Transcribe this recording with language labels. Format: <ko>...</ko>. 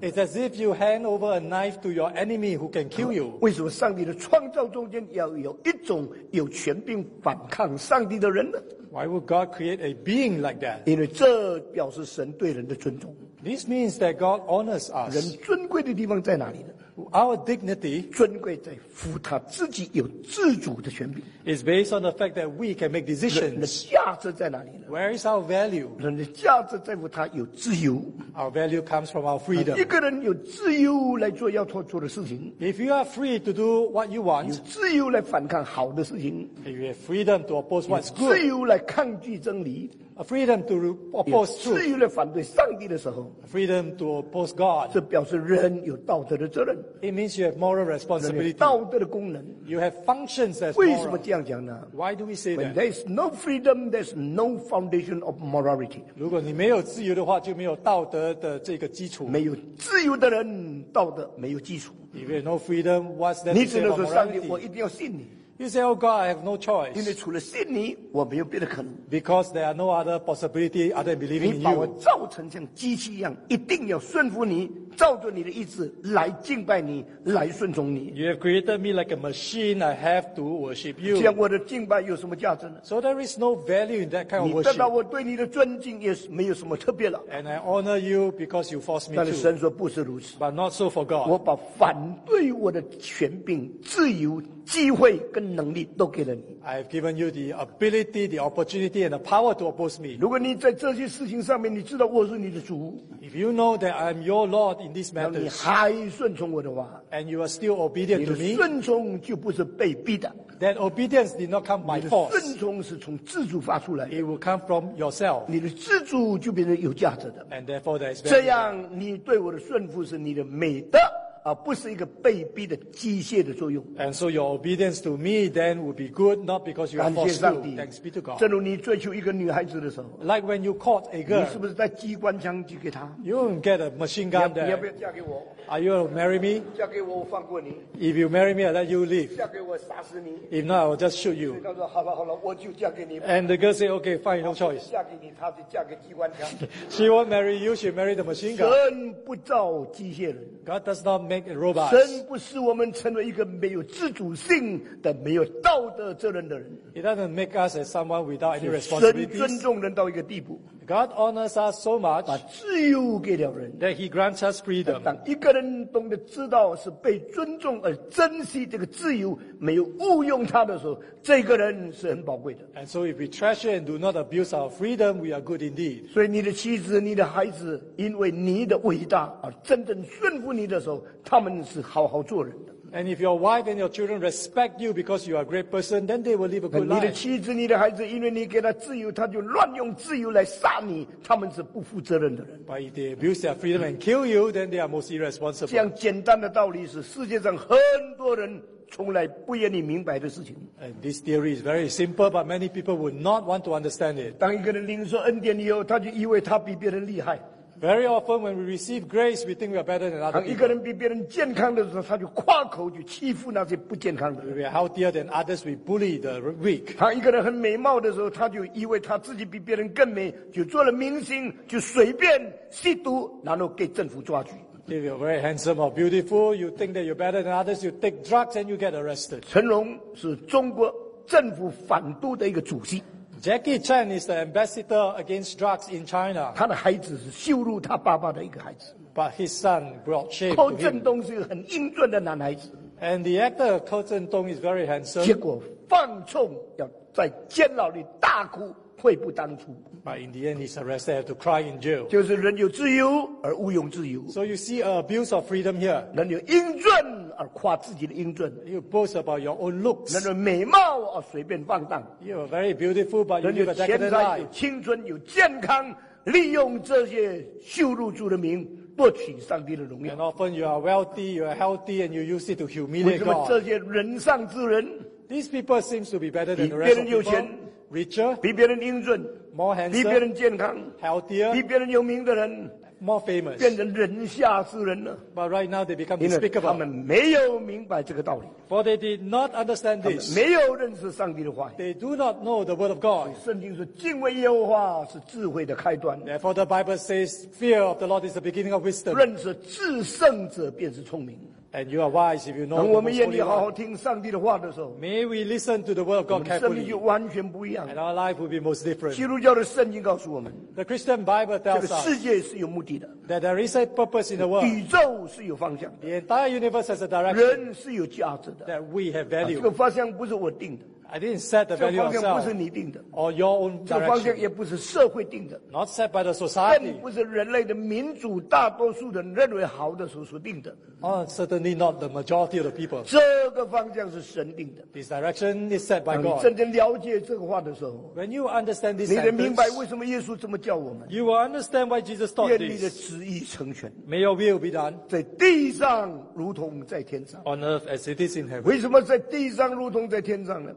<en>It's as if you hand over a knife to your enemy who can kill you.</en> <zh>为什么上帝的创造中间要有一种有权柄反抗上帝的人呢？</zh> <en>Why would God create a being like that?</en> <zh>因为这表示神对人的尊重。</zh> <en>This means that God honors us.</en> <zh>人尊贵的地方在哪里呢？</zh> <en>Our dignity</en> <zh>尊贵在乎他自己有自主的权柄。</zh> <en>Is based on the fact that we can make decisions.</en> <zh>人的价值在哪里呢？</zh> <en>Where is our value?</en> <zh>人的价值在乎他有自由。</zh> <en>Our value comes from our freedom.</en> <zh>一个人有自由来做要做的事情。</zh> <en>If you are free to do what you want.</en> <zh>有自由来反抗好的事情。</zh> <en>If you have freedom to oppose what's good.</en> <zh>有自由来抗拒真理。</zh> <en>A freedom to oppose truth.</en> <zh>有自由来反对上帝的时候。</zh> <en>A freedom to oppose God.</en> <zh>这表示人有道德的责任。</zh> <en>It means you have moral responsibility.</en> <zh>道德的功能。</zh> <en>You have functions as moral.</en> <zh>为什么这样讲呢？</zh> <en>Why do we say that? When there is no freedom, there's no foundation of morality.</en> <zh>如果你没有自由的话，就没有道德的这个基础。没有自由的人，道德没有基础。</zh> <en>If you have no freedom, what's that?</en> <zh>你只能说上帝，我一定要信你。</zh> <en>You say, "Oh God, I have no choice."</en> <zh>因为除了信你，我没有别的可能。</zh> <en>Because there are no other possibility other than believing in you.</en> <zh>你把我造成像机器一样，一定要顺服你，照着你的意志来敬拜你，来顺从你。</zh> <en>You have created me like a machine. I have to worship you.</en> <zh>这样我的敬拜有什么价值呢？</zh> <en>So there is no value in that kind of worship.</en> <zh>你得到我对你的尊敬也是没有什么特别了。</zh> <en>And I honor you because you force me to.</en> <zh>但是神说不是如此。</zh> <en>But not so for God.</en> <zh>我把反对我的权柄、自由、机会跟能力都给了你。</zh> <en>I have given you the ability, the opportunity, and the power to oppose me.</en> <zh>如果你在这些事情上面，你知道我是你的主。</zh> <en>If you know that I am your Lord in these matters,</en> <zh>你还顺从我的话</zh> <en>，and you are still obedient to me,</en> <zh>你的顺从就不是被逼的。</zh> <en>That obedience did not come by force.</en> <zh>你的顺从是从自主发出来的。</zh> <en>It will come from yourself.</en> <zh>你的自主就变成有价值的。</zh> <en>And therefore, there is value.</en> <zh>这样，你对我的顺服是你的美德。不是一个被逼的机械的作用。</zh> <en>And so your obedience to me then would be good, not because you are forced to. Thanks be to God.</en> <zh>正如你追求一个女孩子的时候。</zh> <en>Like when you caught a girl.</en> <zh>你是不是带机关枪去给她？</zh> <en>You won't get a machine gun there.</en> <zh>你要不要嫁给我？</zh> <en>Are you going to marry me?</en> <zh>嫁给我，我放过你。</zh> <en>If you marry me, I'll let you live.</en> <zh>嫁给我，杀死你。</zh> <en>If not, I'll just shoot you.</en> <zh>她说好了好了，我就嫁给你。</zh> <en>And the girl said, okay, fine, no choice.</en> <zh>嫁给你，她就嫁给机关枪。</zh> <en>She won't marry you. She married the machine gun.</en> <zh>神不造机械人。</zh> <en>God does not make robots.</en> <zh>神不使我们成为一个没有自主性的、没有道德责任的人。</zh> <en>He doesn't make us as someone without any responsibilities.</en> <zh>神尊重人到一个地步。</zh> <en>God honors us so much.</en> <zh>把自由给了人。</zh> <en>That He grants us freedom.</en> <zh>当一个人懂得知道是被尊重而珍惜这个自由，没有误用它的时候，这个人是很宝贵的。</zh> <en>And so if we treasure and do not abuse our freedom, we are good indeed.</en> <zh>所以你的妻子、你的孩子，因为你的伟大而真正顺服你的时候，他们是好好做人的。</zh> <en>And if your wife and your children respect you because you are a great person, then they will live a good life.</en> <zh>你的妻子、你的孩子，因为你给他自由，他就乱用自由来杀你，他们是不负责任的人。</zh> <en>But if they abuse their freedom and kill you, then they are most irresponsible.</en> <zh>这样简单的道理是世界上很多人从来不愿意明白的事情。</zh> <en>And this theory is very simple, but many people would not want to understand it.</en> <zh>当一个人领受恩典以后，他就以为他比别人厉害。</zh> <en>Very often when we receive grace, we think we are better than other people.</en> <zh>一个人比别人健康的时候，他就夸口去欺负那些不健康的。</zh> <en>We are healthier than others, we bully the weak.</en> <zh>他一个人很美貌的时候，他就以为他自己比别人更美，就做了明星，就随便吸毒，然后给政府抓去。</zh> <en>If you're very handsome or beautiful, you think that you're better than others, you take drugs and you get arrested.</en> <zh>成龙是中国政府反毒的一个主席。</zh> <en>Jackie Chan is the ambassador against drugs in China.</en> <zh>他的孩子是羞辱他爸爸的一个孩子。</zh> <en>But his son brought shame to him.</en> <zh>柯震东是一个很英俊的男孩子。</zh> <en>And the actor 柯震东 is very handsome.</en> <zh>结果放纵要在监牢里大哭，悔不当初。</zh> <en>But in the end, he's arrested to cry in jail.</en> <zh>就是人有自由而误用自由。</zh> <en>So you see an abuse of freedom here.</en> <zh>人有英俊而夸自己的英俊。</zh> <en>You boast about your own looks.</en> <zh>人有美貌而随便放荡。</zh> <en>You are very beautiful, but you live a decadent life.</en> <zh>人有钱财、有青春、有健康，利用这些羞辱主的名，博取上帝的荣耀。</zh> <en>And often you are wealthy, you are healthy, and you use it to humiliate God.</en> <zh>为什么这些人上之人</zh> <en>？These people seem to be better than the rest of people.</en> <zh>比别人有钱。</zh> <en>Richer,</en> <zh>比别人英俊</zh> <en>more handsome,</en> <zh>比别人健康</zh> <en>healthier,</en> <zh>比别人有名的人</zh> <en>more famous,</en> <zh>变成人下之人了。</zh> <en>But right now they become despicable.</en> <zh>他们没有明白这个道理。</zh> <en>For they did not understand this.</en> <zh>他们没有认识上帝的话。</zh> <en>They do not know the word of God.</en> <zh>圣经说敬畏耶和华是智慧的开端。</zh> <en>Therefore the Bible says fear of the Lord is the beginning of wisdom.</en> <zh>认识至圣者便是聪明。</zh> <en>And you are wise if you know.</en> <zh>当我们愿意好好听上帝的话的时候</zh> <en>，May we listen to the word of God carefully.</en> <zh>我们生命就完全不一样</zh> <en>，and our life will be most different.</en> <zh>基督教的圣经告诉我们</zh> <en>，The Christian Bible tells us</en> <zh>这个世界是有目的的</zh> <en>，that there is a purpose in the world.</en> <zh>宇宙是有方向的</zh> <en>，the entire universe has a direction.</en> <zh>人是有价值的</zh> <en>，that we have value.</en> <zh>这个方向不是我定的。</zh> <en>I didn't set the value of self.</en> <zh>这方向不是你定的</zh> <en>，or your own direction.</en> <zh>这方向也不是社会定的</zh> <en>，not set by the society.</en> <zh>更不是人类的民主大多数人认为好的时候所定的。</zh> <en>Oh, certainly not the majority of the people.</en> <zh>这个方向是神定的。</zh> <en>This direction is set by God.</en> <zh>你真正了解这个话的时候</zh> <en>，when you understand this,</en> <zh>你得明白为什么耶稣这么叫我们。</zh> <en>You will understand why Jesus taught this.</en> <zh>愿你的旨意成全。</zh> <en>May your will be done.</en> <zh>在地上如同在天上。</zh> <en>On earth as it is in heaven.</en> <zh>为什么在地上如同在天上呢</zh>